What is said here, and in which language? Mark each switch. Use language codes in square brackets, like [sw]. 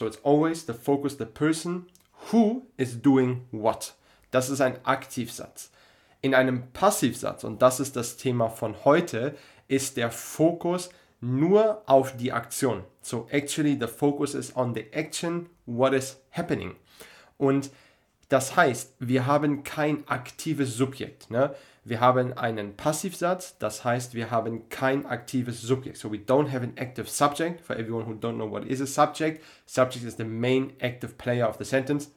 [en] So it's always the focus, the person, who is doing what. [de] Das ist ein Aktivsatz. In einem Passivsatz, und das ist das Thema von heute, ist der Fokus nur auf die Aktion. [en] So actually the focus is on the action, what is happening. [de] Und das heißt, wir haben kein aktives Subjekt. Ne? Wir haben einen Passivsatz, das heißt, wir haben kein aktives Subjekt. [en] So we don't have an active subject. For everyone who don't know what is a subject, subject is the main active player of the sentence.